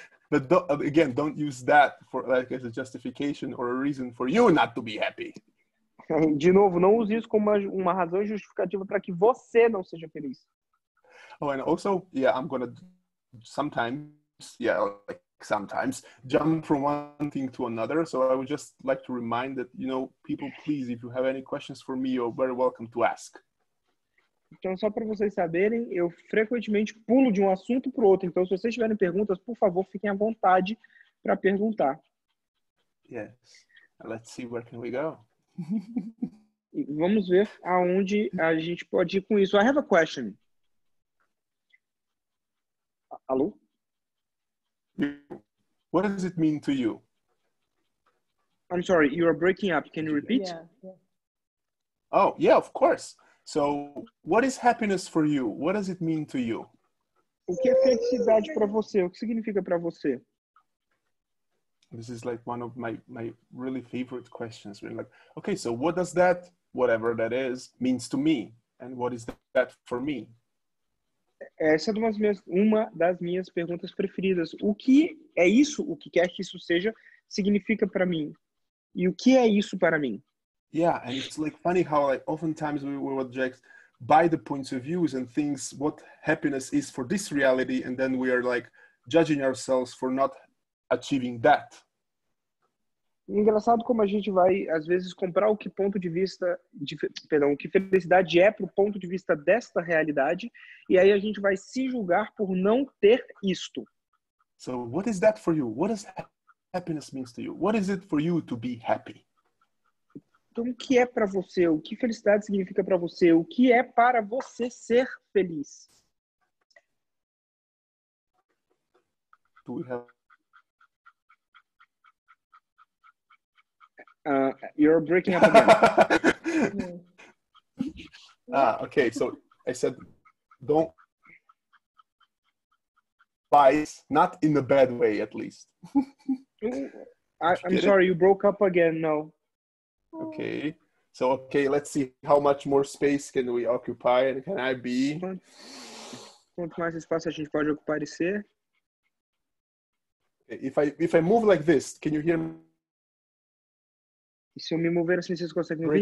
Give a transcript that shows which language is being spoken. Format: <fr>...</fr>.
<en>But don't use that for like as a justification or a reason for you not to be happy.</en> <pt>De novo, não use isso como uma razão justificativa para que você não seja feliz.</pt> <en>Oh, and also, yeah, I'm gonna sometimes jump from one thing to another. So I would just like to remind that, you know, people, please, if you have any questions for me, you're very welcome to ask.</en> <pt>Então, só para vocês saberem, eu frequentemente pulo de um assunto para o outro. Então, se vocês tiverem perguntas, por favor, fiquem à vontade para perguntar.</pt> <en>Yes. Let's see where can we go.</en> <pt>Vamos ver aonde a gente pode ir com isso.</pt> <en>I have a question.</en> <pt>Alô?</pt> <en>What does it mean to you? I'm sorry, you are breaking up. Can you repeat? Yeah. Oh, yeah, of course. So, what is happiness for you? What does it mean to you?</en> <pt>O que é felicidade para você? O que significa para você?</pt> <en>This is like one of my really favorite questions. Really. Like, okay, so what does that, whatever that is, means to me? And what is that for me?</en> <pt>Essa é uma das minhas perguntas preferidas. O que é isso, o que quer que isso seja, significa para mim? E o que é isso para mim?</pt> <en>Yeah, and it's like funny how like oftentimes we will object by the points of views and things what happiness is for this reality, and then we are like judging ourselves for not achieving that.</en> <pt>Engraçado como a gente vai às vezes comprar o que ponto de vista de, perdão, o que felicidade é pro ponto de vista desta realidade, e aí a gente vai se julgar por não ter isto.</pt> <en>So what is that for you? What does happiness mean to you? What is it for you to be happy?</en> <pt>Então, o que é para você? O que felicidade significa para você? O que é para você ser feliz?</pt> <en>Do we have... You're breaking up again. Ah, okay. So, I said, don't... Vice, not in a bad way, at least. I'm sorry, you broke up again, no. Okay, so okay, let's see how much more space can we occupy and can I be?</en> <pt>Quanto mais espaço a gente pode ocupar e ser?</pt> <en>If I move like this, can you hear</en> <pt>me? Se eu me mover assim, vocês conseguem ouvir?</pt>